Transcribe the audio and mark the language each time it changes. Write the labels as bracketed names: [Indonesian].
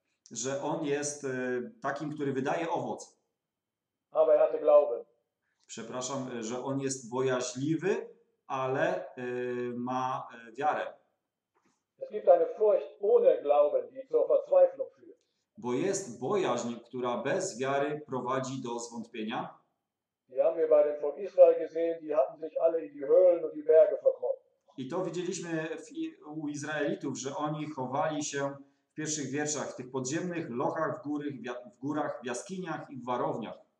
[Polish] Że on jest takim, który wydaje owoc. [German] Aber er hatte Glauben. [Polish] Przepraszam, że on jest bojaźliwy, ale ma wiarę. [German] Es gibt eine Furcht ohne Glauben, die zur Verzweiflung führt. [Polish] Bo jest bojaźń, która bez wiary prowadzi do zwątpienia. [German] Die haben wir bei den von Israel gesehen, die hatten sich alle in die Höhlen und die Berge verkrochen. [Polish] I to widzieliśmy u Izraelitów, że oni chowali się w pierwszych wierszach, w tych podziemnych lochach, w górach, w jaskiniach i w warowniach.